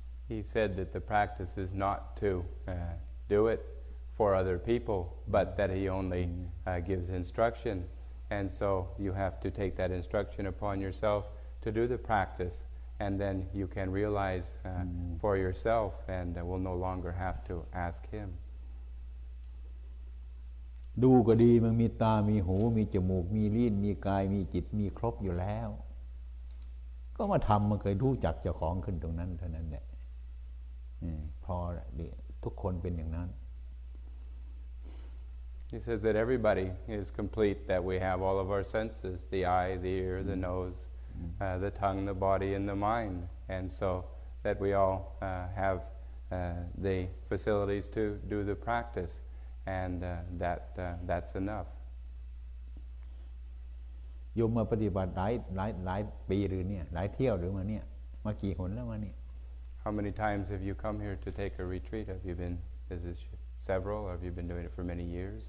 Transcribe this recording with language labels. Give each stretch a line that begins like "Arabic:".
English: He said that the practice is not to do it for other people, but that he only gives instruction, and so you have to take that instruction upon yourself to do the practice, and then you can realize for yourself, and will no longer have to ask him.
Thai: ดูก็ดีมันมีตามีหูมีจมูกมีลิ้นมีกายมีจิตมีครบอยู่แล้วก็มาทำมันเคยรู้จักเจ้าของขึ้นตรงนั้นเท่านั้นแหละพอทุกคนเป็นอย่างนั้น
English: He says that everybody is complete, that we have all of our senses, the eye, the ear, the nose, the tongue, the body, and the mind, and so that we all have the facilities to do the practice, and that's enough.
Thai: ยมมาปฏิบัติหลายปีหรือเนี่ยหลายเที่ยวหรือมาเนี่ยมากี่หนแล้วมาเนี่ย
English: How many times have you come here to take a retreat? Have you been? Is this several? Or have you been doing it for many years?